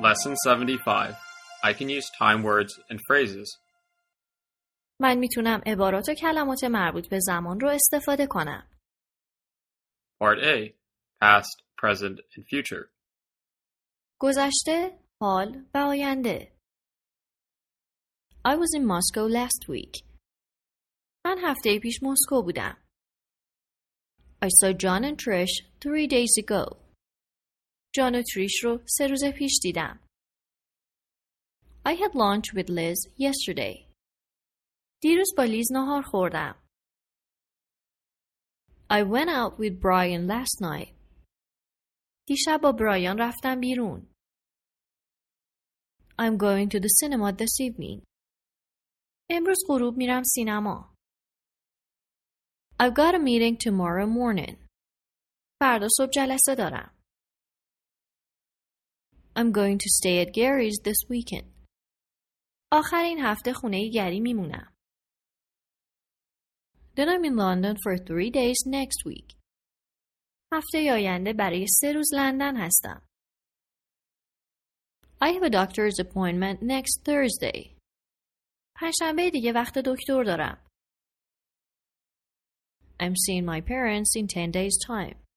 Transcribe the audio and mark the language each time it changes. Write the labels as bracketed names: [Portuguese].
[English] Lesson 75. I can use time words and phrases. [Persian] من میتونم عبارات و کلمات مربوط به زمان رو استفاده کنم. [English] Part A. Past, present and future. [Persian] گذشته، حال و آینده. [English] I was in Moscow last week. [Persian] من هفته پیش مسکو بودم. [English] I saw John and Trish 3 days ago. [Persian] جان و تریش رو 3 روز پیش دیدم. [English] I had lunch with Liz yesterday. [Persian] دیروز با لیز نهار خوردم. [English] I went out with Brian last night. [Persian] دیشب با برایان رفتم بیرون. [English] I'm going to the cinema this evening. [Persian] امروز غروب میرم سینما. [English] I've got a meeting tomorrow morning. [Persian] فردا صبح جلسه دارم. [English] I'm going to stay at Gary's this weekend. [Persian] آخر این هفته خونه گری میمونم. [English] Then I'm in London for 3 days next week. [Persian] هفته آینده برای 3 روز لندن هستم. [English] I have a doctor's appointment next Thursday. [Persian] پنجشنبه دیگه وقت دکتر دارم. [English] I'm seeing my parents in 10 days time.